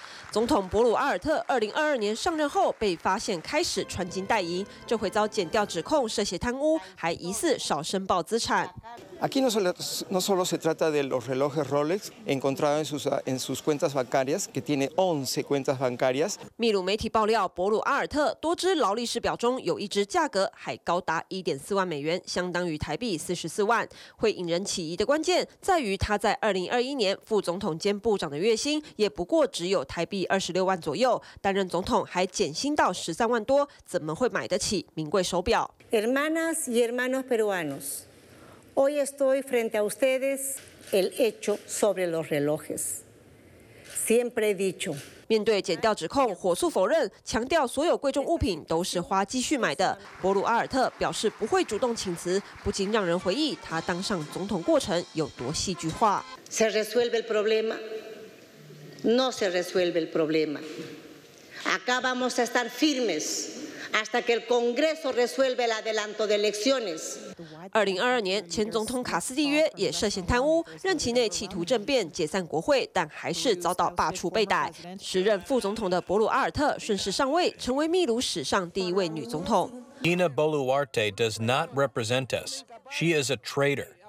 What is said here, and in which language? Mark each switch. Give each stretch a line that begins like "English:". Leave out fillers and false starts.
Chinese: 总统博鲁阿尔特2022年上任后被发现开始穿金戴银，这回遭检调指控涉嫌贪污，还疑似少申报资产。
Spanish: Aquí no solo se trata de los relojes Rolex encontrados en sus cuentas bancarias, que tiene 11 cuentas bancarias.
Chinese: 秘鲁媒体爆料，博鲁阿尔特多只劳力士表中有一只价格还高达1.4万美元，相当于台币44万。会引人起疑的关键在于，他在2021年副总统兼部长的月薪也不过只有台币26万左右，担任总统还减薪到13万多，怎么会买得起名贵手表
Spanish: ？Hermanas y hermanos peruanos。 Hoy estoy frente a ustedes el hecho sobre los relojes. Siempre he dicho.
Chinese: 面对检调指控，火速否认，强调所有贵重物品都是花积蓄买的。博鲁阿尔特表示不会主动请辞，不禁让人回忆他当上总统过程有多戏剧化。
Spanish: Se resuelve el problema? No se resuelve el problema. Acá vamos a estar firmes. Hasta que el Congreso resuelva el adelanto de elecciones.
Chinese: 2022年，前总统卡斯蒂约也涉嫌贪污，任期内企图政变解散国会，但还是遭到罢黜被逮。时任副总统的博鲁阿尔特顺势上位，成为秘鲁史上第一位女总统。
English: Dina Boluarte does not represent us. She is a traitor.